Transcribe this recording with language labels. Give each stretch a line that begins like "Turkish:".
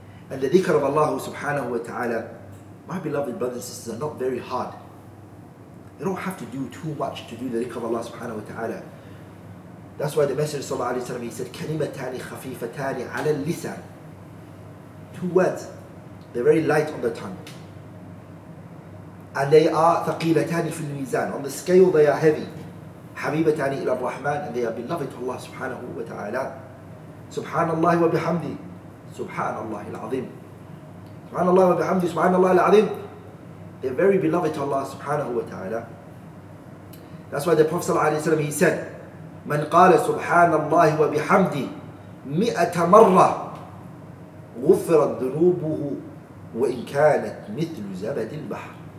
English: And the dhikr of Allah subhanahu wa ta'ala, my beloved brothers and sisters, are not very hard. You don't have to do too much to do the dhikr of Allah subhanahu wa ta'ala. That's why the Messenger sallallahu alayhi wa sallam, he said,
Arabic: kalimatani khafifatani ala lisan.
English: Two words, they're very light on the tongue. And they are
Arabic: ثقيلتان في الميزان.
English: On the scale, they are heavy.
Arabic: حبيبتان إلى الرحمن.
English: And they are beloved to Allah subhanahu wa ta'ala.
Arabic: سبحان الله وبحمده. سبحان الله العظيم. سبحان الله وبحمده. سبحان الله العظيم.
English: They're very beloved to Allah subhanahu wa ta'ala. That's why the Prophet صلى الله عليه وسلم, he said,
Arabic: من قال سبحان الله وبحمده 100 مرة غفرت ذنوبه وإن كانت مثل زبد البحر.